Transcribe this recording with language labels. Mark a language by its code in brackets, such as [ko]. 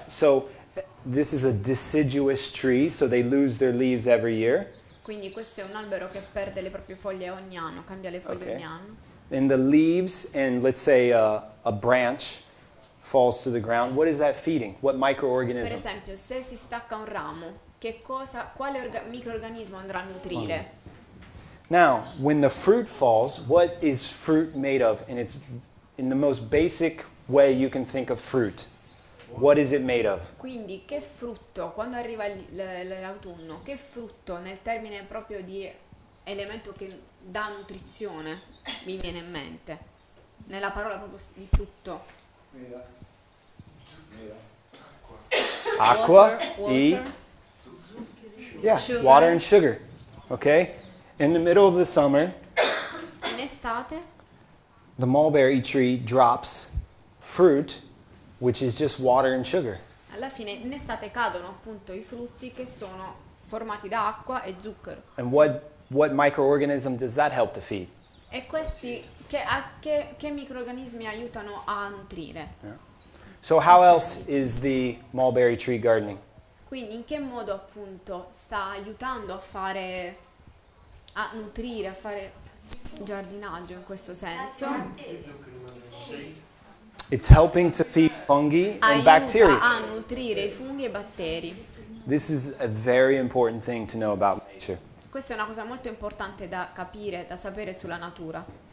[en] So this is a deciduous tree, so they lose their leaves every year. [it] Quindi questo è un albero che perde le proprie foglie ogni anno, cambia le foglie ogni anno. [en] And the leaves, and let's say a branch falls to the ground, what is that feeding? What microorganism? [it] Per esempio, se si stacca un ramo, che cosa, quale microorganismo andrà a nutrire? [en] Now, when the fruit falls, what is fruit made of? And it's in the most basic way you can think of fruit. What is it made of? [it] Quindi, che frutto, quando arriva l'autunno, che frutto, nel termine proprio di elemento che dà nutrizione, mi viene in mente? Nella parola proprio di frutto. Acqua, [en] water, water. Yeah, sugar. Water and sugar. Okay, in the middle of the summer, [it] in estate, [en] the mulberry tree drops fruit, which is just water and sugar. [it] Alla fine, in estate cadono appunto i frutti che sono formati da acqua e zucchero. [en] And what microorganism does that help to feed? [it] E questi che microorganismi aiutano a nutrire? [en] Yeah. So how else is the mulberry tree gardening? [it] Quindi in che modo appunto sta aiutando a fare, a nutrire, a fare giardinaggio in questo senso? [en] It's helping to feed fungi and bacteria. [it] A nutrire i funghi e batteri. [en] This is a very important thing to know about nature. [it] Questa è una cosa molto importante da capire, da sapere sulla natura.